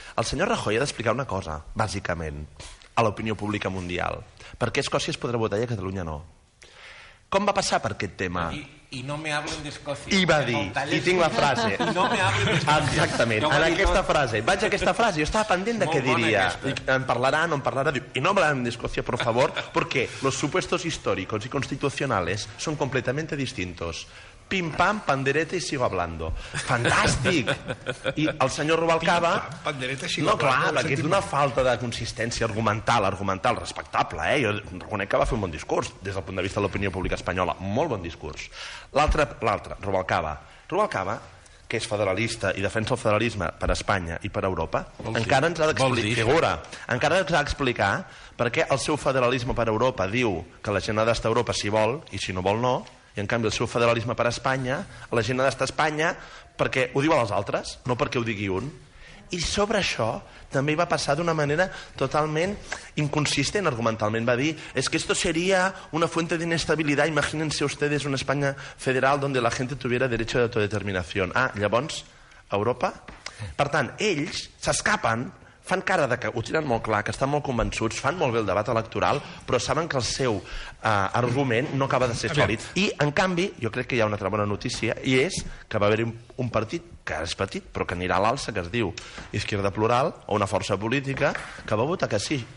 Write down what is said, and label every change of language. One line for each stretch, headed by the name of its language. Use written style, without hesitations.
Catalan: El senyor Rajoy ha d'explicar una cosa, bàsicament, a l'opinió pública mundial. Per què Escòcia es podrà votar i a Catalunya no? Com va passar per aquest tema?
Spanish: I no me hablen d'Escòcia.
Catalan: I va dir, i tinc la frase.
Spanish: No me hablen d'Escòcia.
Catalan: Exactament, en aquesta frase. Vaig a aquesta frase, jo estava pendent de què diria. En parlarà, no en parlarà.
Spanish: I no me hablen d'Escòcia, por favor, porque los supuestos históricos y constitucionales son completamente distintos. Pim, pam, pandereta i sigo hablando.
Catalan: Fantàstic! I el senyor Rubalcaba...
Spanish: Pim, pam, pandereta i sigo hablando.
Catalan: No, clar, perquè és d'una falta de consistència argumental, respectable, eh? Jo reconec que va fer un bon discurs, des del punt de vista de l'opinió pública espanyola. Molt bon discurs. L'altre, Rubalcaba. Rubalcaba, que és federalista i defensa el federalisme per Espanya i per Europa, encara ens ha d'explicar... Figura! Encara ens ha d'explicar per què el seu federalisme per Europa diu que la gent ha d'estar a Europa si vol, i si no vol, no... I, en canvi, el seu federalisme per Espanya, la gent ha d'estar a Espanya perquè ho diuen els altres, no perquè ho digui un. I sobre això també va passar d'una manera totalment inconsistent argumentalment. Va dir,
Spanish: es que esto sería una fuente de inestabilidad, imagínense ustedes una España federal donde la gente tuviera derecho de autodeterminación.
Catalan: Ah, llavors, Europa? Per tant, ells s'escapen, fan cara de que ho tiren molt clar, que estan molt convençuts, fan molt bé el debat electoral, però saben que el seu argument no acaba de ser sòlid. I, en canvi, jo crec que hi ha una altra bona notícia, i és que va haver-hi un partit, que és petit, però que anirà a l'alça, que es diu Izquierda Plural, o una força política, que va votar que sí.